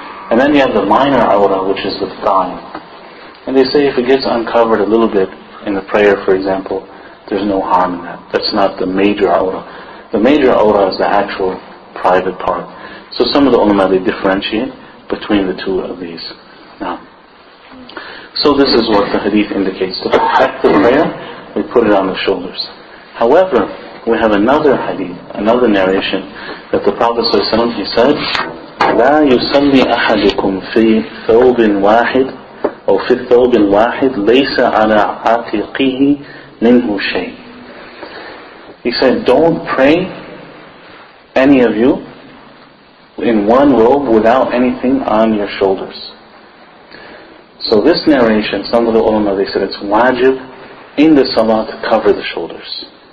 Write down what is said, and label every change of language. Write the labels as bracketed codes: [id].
[en] And then you have the minor awra, which is the thigh. And they say if it gets uncovered a little bit in the prayer, for example, there's no harm in that. That's not the major awra. The major awra is the actual private part. So some of the ulama, they differentiate between the two of these. Now, so this is what the hadith indicates. To protect the prayer, we put it on the shoulders. However, we have another hadith, another narration, that the Prophet ﷺ, he said, [ar] لَا يُسَلِّي أَحَدُكُمْ فِي ثَوْبٍ وَاحِدٍ أَوْ فِي ثَوْبٍ وَاحِدٍ لَيْسَ عَلَىٰ عَاتِقِهِ مِنْهُ شَيْءٍ. [en] He said, don't pray, any of you, in one robe without anything on your shoulders. So this narration, some of the ulama, they said it's wajib in the salah to cover the shoulders.